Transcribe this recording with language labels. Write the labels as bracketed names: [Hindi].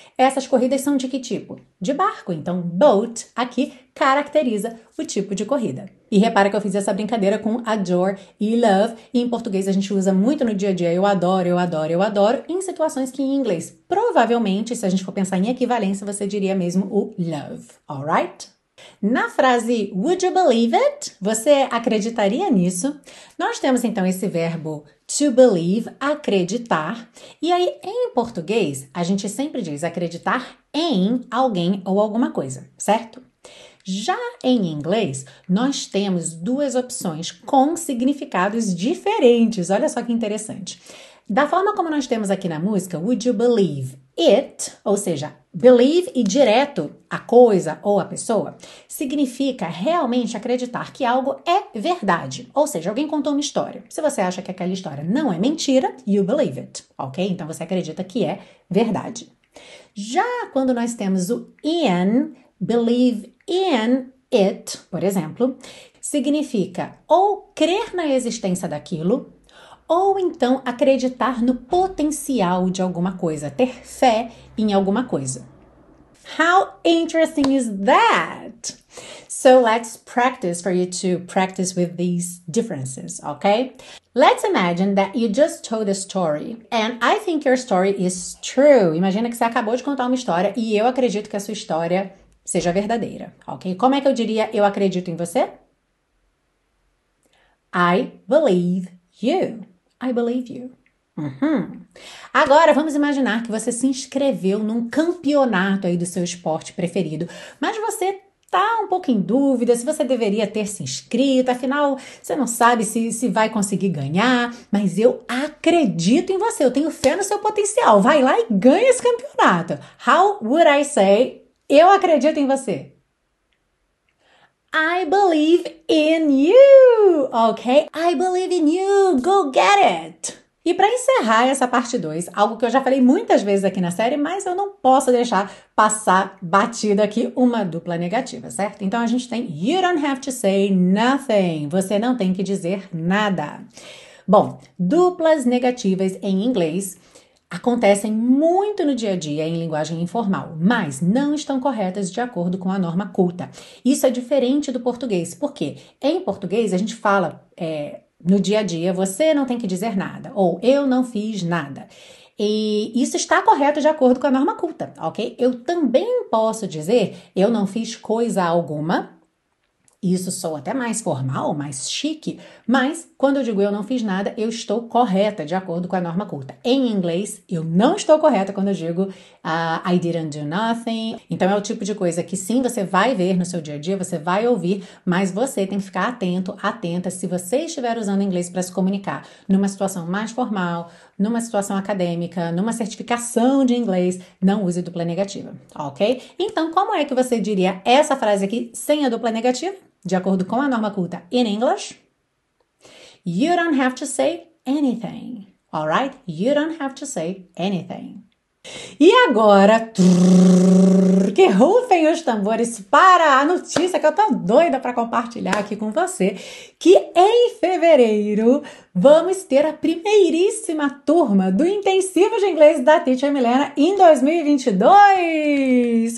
[Portuguese] Essas corridas são de que tipo? De barco. Então, boat aqui caracteriza o tipo de corrida. E repara que eu fiz essa brincadeira com adore e love. E em português a gente usa muito no dia a dia eu adoro, eu adoro, eu adoro, em situações que em inglês, provavelmente, se a gente for pensar em equivalência, você diria mesmo o love, alright? Na frase [English] would you believe it? [Portuguese] Você acreditaria nisso? Nós temos então esse verbo to believe, acreditar. E aí, em português, a gente sempre diz acreditar em alguém ou alguma coisa, certo? Já em inglês, nós temos duas opções com significados diferentes. Olha só que interessante. Da forma como nós temos aqui na música, [English] would you believe it? [Portuguese] Ou seja, believe e direto a coisa ou a pessoa, significa realmente acreditar que algo é verdade. Ou seja, alguém contou uma história. Se você acha que aquela história não é mentira, [English] you believe it, [Portuguese] ok? Então você acredita que é verdade. Já quando nós temos o in, [English] believe in it, [Portuguese] por exemplo, significa ou crer na existência daquilo, ou então acreditar no potencial de alguma coisa, ter fé em alguma coisa. [English] How interesting is that? So let's practice for you to practice with these differences, okay? Let's imagine that you just told a story and I think your story is true. [Portuguese] Imagina que você acabou de contar uma história e eu acredito que a sua história seja verdadeira, ok? Como é que eu diria eu acredito em você? [English] I believe you. I believe you. [Portuguese] Agora vamos imaginar que você se inscreveu num campeonato aí do seu esporte preferido, mas você Tá um pouco em dúvida se você deveria ter se inscrito, afinal, você não sabe se vai conseguir ganhar, mas eu acredito em você, eu tenho fé no seu potencial. Vai lá e ganha esse campeonato. [English] How would I say, [Portuguese] eu acredito em você? [English] I believe in you, ok? I believe in you, go get it! [Portuguese] E para encerrar essa parte 2, algo que eu já falei muitas vezes aqui na série, mas eu não posso deixar passar batido aqui uma dupla negativa, certo? Então a gente tem [English] You don't have to say nothing. [Portuguese] Você não tem que dizer nada. Bom, duplas negativas em inglês acontecem muito no dia a dia em linguagem informal, mas não estão corretas de acordo com a norma culta. Isso é diferente do português, porque em português a gente fala, no dia a dia, você não tem que dizer nada, ou eu não fiz nada. E isso está correto de acordo com a norma culta, ok? Eu também posso dizer eu não fiz coisa alguma. Isso soa até mais formal, mais chique, mas quando eu digo eu não fiz nada, eu estou correta de acordo com a norma culta. Em inglês, eu não estou correta quando eu digo [English] I didn't do nothing. [Portuguese] Então, é o tipo de coisa que sim, você vai ver no seu dia a dia, você vai ouvir, mas você tem que ficar atento, atenta, se você estiver usando inglês para se comunicar numa situação mais formal, numa situação acadêmica, numa certificação de inglês, não use dupla negativa, ok? Então, como é que você diria essa frase aqui sem a dupla negativa? De acordo com a norma culta [English] in English, you don't have to say anything. All right? You don't have to say anything. [Portuguese] E agora, que rufem os tambores para a notícia que eu tô doida para compartilhar aqui com você, que em fevereiro vamos ter a primeiríssima turma do intensivo de inglês da Teacher Milena em 2022.